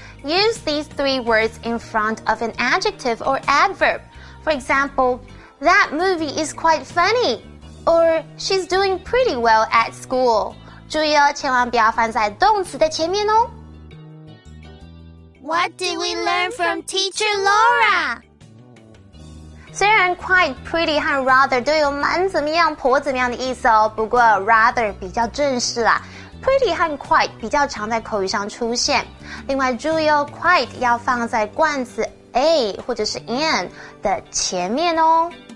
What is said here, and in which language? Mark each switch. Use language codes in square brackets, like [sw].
[en] Use these three words in front of an adjective or adverb. For example,That movie is quite funny. Or she's doing pretty well at school. [zh] 注意哦，千万不要放在动词的前面哦。 [en] What did we learn from Teacher Laura? [zh] 虽然 quite pretty 和 rather 都有蛮怎么样、颇怎么样的意思哦，不过 rather 比较正式啦。 Pretty 和 quite 比较常在口语上出现。另外注意哦 ，quite 要放在冠词 a 或者是 an 的前面哦。